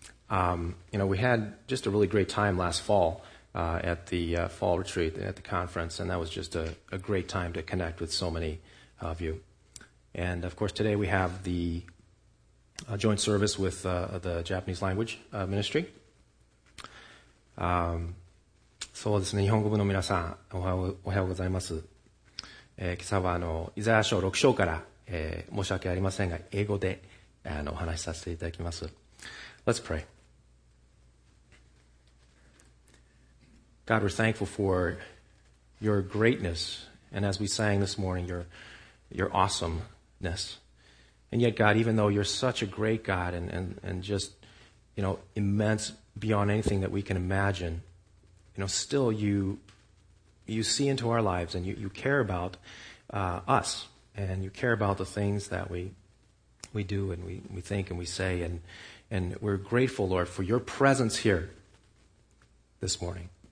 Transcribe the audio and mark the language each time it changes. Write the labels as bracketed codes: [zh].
[en] We had just a really great time last fall at the fall retreat at the conference, and that was just a great time to connect with so many of you. And, of course, today we have the joint service with the Japanese Language Ministry. [ja] そうですね、日本語部の皆さん、おはようございます。今朝はイザヤ書6章から、申し訳ありませんが、英語でお話しさせていただきます。 [en] Let's pray. God, we're thankful for your greatness, and as we sang this morning, your awesomeness. And yet, God, even though you're such a great God and just, immense beyond anything that we can imagine, still you see into our lives and you care about us and you care about the things that we do and we think and we say, and we're grateful, Lord, for your presence here this morning.